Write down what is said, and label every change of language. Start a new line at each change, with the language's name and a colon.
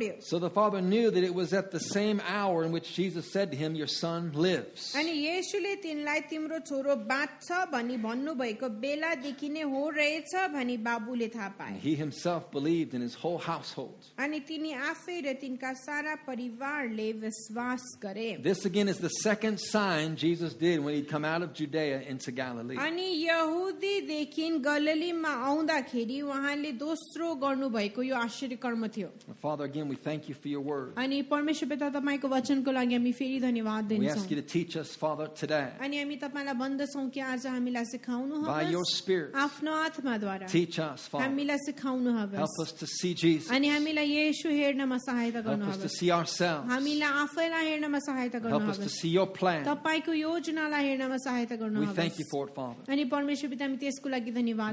English: So the father knew that it was at the same hour in which Jesus said to him, your son lives.
Nepali: अनि येशूले तिनलाई तिम्रो छोरो बाँच्छ भनी भन्नु भएको बेला देखि नै हो रहेछ भनी बाबुले थाहा पाए.
English: He himself believed in his whole household.
Nepali: अनि तिनी आफै र तिनका सारा परिवारले विश्वास गरे.
English: This again is the second sign Jesus did when he'd come out of Judea into Galilee.
Nepali: अनि यहुदी देखि गलिलीमा आउँदाखेरि उहाँले दोस्रो गर्नु भएको यो आश्चर्यकर्म थियो.
English: Father, again we thank you for your word.
Nepali: अनि परमेश्वर पिता तपाईको वचनको लागि
English: We ask you to teach us, Father, today. By your Spirit. Teach us, Father. Help us to see Jesus. Help us to see ourselves. Help us to see your plan. We thank you for it, Father.